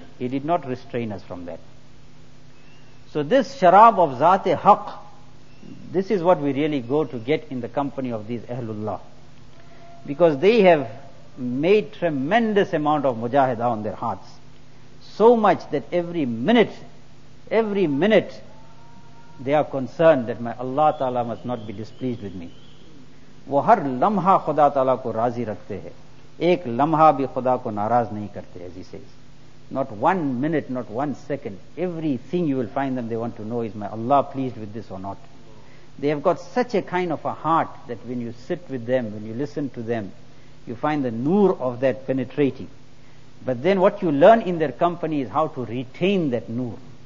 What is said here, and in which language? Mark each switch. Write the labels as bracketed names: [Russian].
[English] He did not restrain us from that. So this sharab of Zat-e-Haq, this is what we really go to get in the company of these Ahlullah. Because they have made tremendous amount of mujahida on their hearts. So much that every minute they are concerned that my Allah Ta'ala must not be displeased with me. [Urdu] وہ ہر لمحہ خدا تعالیٰ کو راضی رکھتے ہیں, ایک لمحہ بھی خدا کو ناراض نہیں کرتے. [English] As he says, not one minute, not one second, everything you will find them, they want to know, is my Allah pleased with this or not. They have got such a kind of a heart that when you sit with them, when you listen to them, you find the noor of that penetrating. But then what you learn in their company is how to retain that noor.